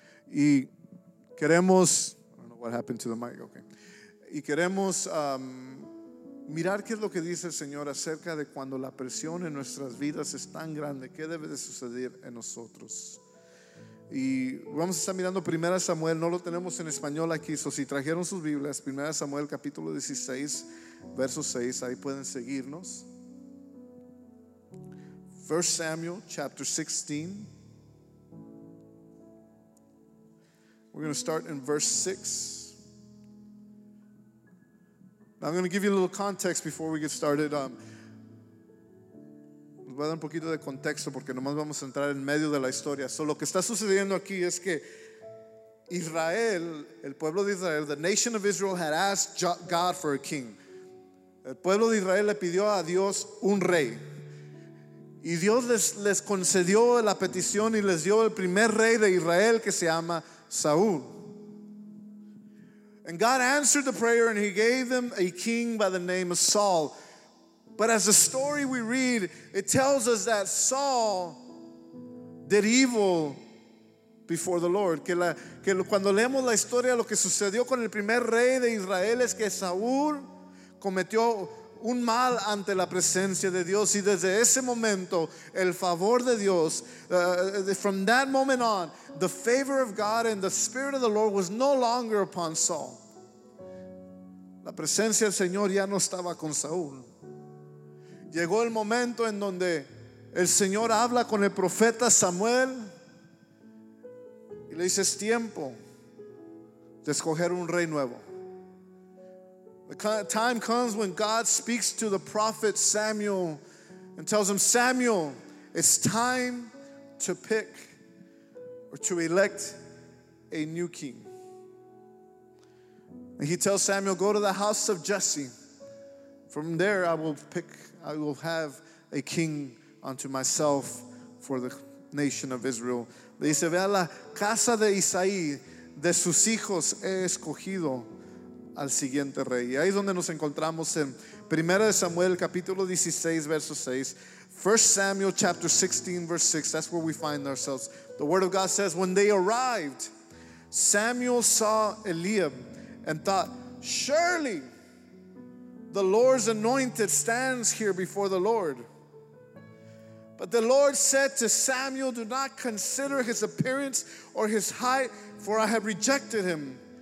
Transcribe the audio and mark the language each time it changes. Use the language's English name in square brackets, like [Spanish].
[Spanish] Y queremos, [English] I don't know what happened to the mic, okay. [Spanish] Y queremos mirar qué es lo que dice el Señor acerca de cuando la presión en nuestras vidas es tan grande, qué debe de suceder en nosotros. Y vamos a estar mirando 1 Samuel, no lo tenemos en español aquí, so si trajeron sus Biblias, 1 Samuel capítulo 16, verso 6, ahí pueden seguirnos. [English] 1 Samuel chapter 16. We're going to start in verse 6. I'm going to give you a little context before we get started. [Spanish] Voy a dar un poquito de contexto porque nomás vamos a entrar en medio de la historia. So lo que está sucediendo aquí es que Israel, el pueblo de Israel, [English] the nation of Israel had asked God for a king. [Spanish] El pueblo de Israel le pidió a Dios un rey. Y Dios les concedió la petición y les dio el primer rey de Israel que se llama Saúl. [English] And God answered the prayer and he gave them a king by the name of Saul. But as the story we read, it tells us that Saul did evil before the Lord. [Spanish] Que cuando leemos la historia, lo que sucedió con el primer rey de Israel es que Saúl cometió un mal ante la presencia de Dios. Y desde ese momento, el favor de Dios, [English] from that moment on, the favor of God and the spirit of the Lord was no longer upon Saul. [Spanish] La presencia del Señor ya no estaba con Saúl. Llegó el momento en donde el Señor habla con el profeta Samuel y le dice, es tiempo de escoger un rey nuevo. [English] The time comes when God speaks to the prophet Samuel and tells him, Samuel, it's time to pick or to elect a new king. And he tells Samuel, go to the house of Jesse. From there I will have a king unto myself for the nation of Israel. [Spanish] Le dice, ve a la casa de Isaí, de sus hijos he escogido al siguiente rey. Y ahí es donde nos encontramos en 1 Samuel capítulo 16 verso 6. [English] 1 Samuel chapter 16 verse 6. That's where we find ourselves. The word of God says, when they arrived, Samuel saw Eliab and thought, surely the Lord's anointed stands here before the Lord. But the Lord said to Samuel, do not consider his appearance or his height, for I have rejected him.